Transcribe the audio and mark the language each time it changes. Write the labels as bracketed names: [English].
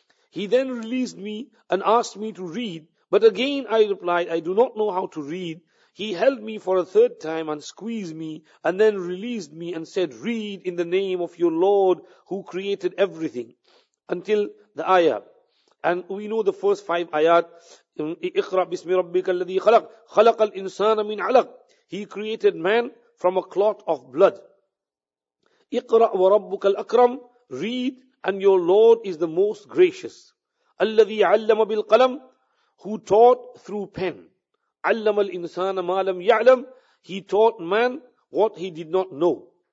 [English] He then released me and asked me to read, but again I replied, I do not know how to read. He held me for a third time and squeezed me and then released me and said, read in the name of your Lord who created everything until the ayah. And we know the first five ayat, [Arabic] اقرأ بسم ربك الذي خلق خلق الإنسان من علق. [English] He created man from a clot of blood. [Arabic] اقرأ وربك الأكرم, [English] read, and your Lord is the most gracious. [Arabic] الذي علم بالقلم, [English] who taught through pen. [Arabic] علم الإنسان ما لم يعلم, [English] he taught man what he did not know.